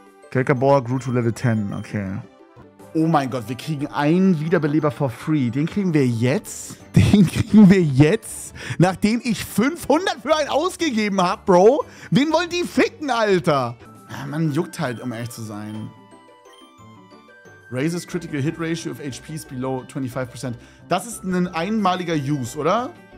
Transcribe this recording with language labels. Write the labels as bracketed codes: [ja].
[en] Gekabor grew to level 10, okay. [de] Oh mein Gott, wir kriegen einen Wiederbeleber for free. Den kriegen wir jetzt? Den kriegen wir jetzt? Nachdem ich 500 für einen ausgegeben habe, Bro? Wen wollen die ficken, Alter? Man juckt halt, um ehrlich zu sein. [en] Raises critical hit ratio of HPs below 25%. [de] Das ist ein einmaliger Use, oder?